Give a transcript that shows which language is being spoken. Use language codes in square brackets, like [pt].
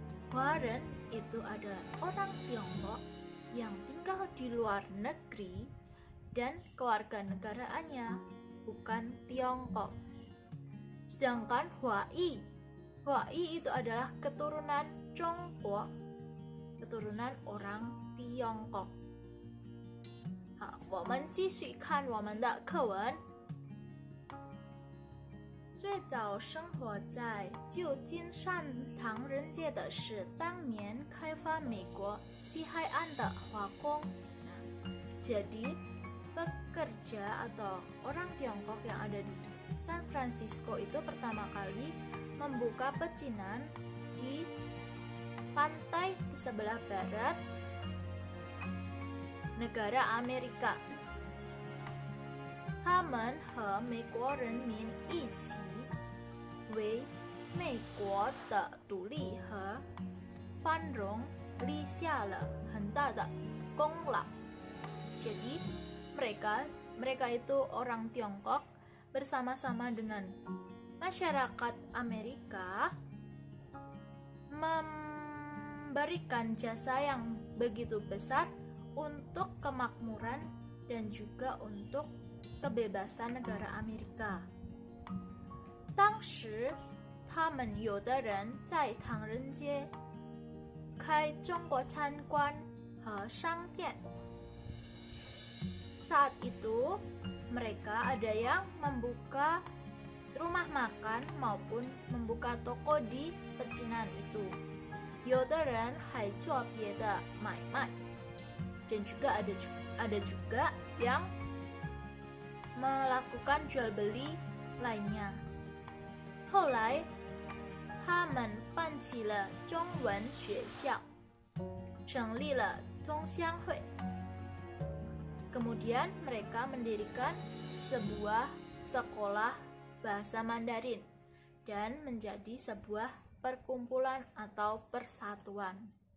[id] Hua Ren itu adalah orang Tiongkok yang tinggal di luar negeri dan kewarganegaraannya bukan Tiongkok. Sedangkan Hua Yi itu adalah keturunan Zhongguo, keturunan orang Tiongkok. [zh] 好，我们继续看我们的课文。最早生活在旧金山唐人街的是当年开发美国西海岸的华工。 [id] Jadi pekerja atau orang Tiongkok yang ada di San Francisco itu pertama kali membuka pecinan di pantai di sebelah barat negara Amerika. [zh] Haman he Mei Guo Renmin Yi Qi 为美国的独立和繁荣立下了很大的功劳。 [id] Jadi mereka itu orang Tiongkok bersama-sama dengan masyarakat Amerika memberikan jasa yang begitu besar untuk kemakmuran dan juga untuk kebebasan negara Amerika. [zh] 当时他们有的人在唐人街开中国餐馆和商店。 [id] Saat itu, mereka ada yang membuka rumah makan maupun membuka toko di pecinan itu. [zh] 有的人还做别的买卖。 [id] Dan juga ada juga yang melakukan jual beli lainnya. [zh] 后来他们办起了中文学校，成立了同乡会。 [id] Kemudian mereka mendirikan sebuah sekolah bahasa Mandarin dan menjadi sebuah perkumpulan atau persatuan.